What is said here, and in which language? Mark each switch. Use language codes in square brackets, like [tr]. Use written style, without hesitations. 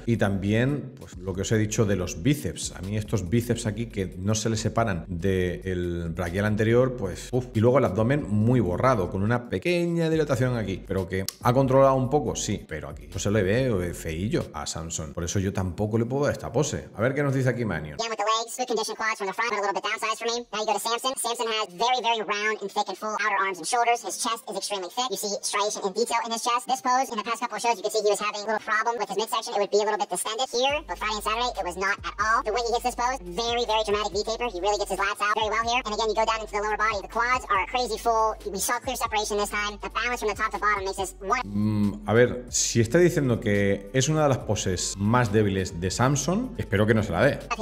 [es] Y también, pues lo que os he dicho de los bíceps, a mí estos bíceps aquí que no se le separan del braquial anterior, y luego el abdomen muy borrado, con una pequeña dilatación aquí, pero que ha controlado un poco, sí, pero aquí no se le ve feillo a Samson. Por eso yo tampoco le puedo dar esta pose. A ver qué nos dice aquí Manion. [en] With the legs, good condition quads from the front, but a little bit downsized for me. Now you go to Samson. Samson has very, very round and thick and full outer arms and shoulders. His chest is extremely thick. You see striation and detail in his chest. This pose, in the past couple of shows, you could see he was having a little problem with his midsection. It would be a little bit distended here, but Friday and Saturday, it was not at all. The way he hits this pose, very, very dramatic V-taper. He really gets his lats out very well here. And again, you go down into the lower body. The quads are crazy full. We saw clear separation this time. The balance from the top to bottom makes this one... [es] A ver, si está diciendo que es una de las poses más débiles de Samson, espero que no se la dé.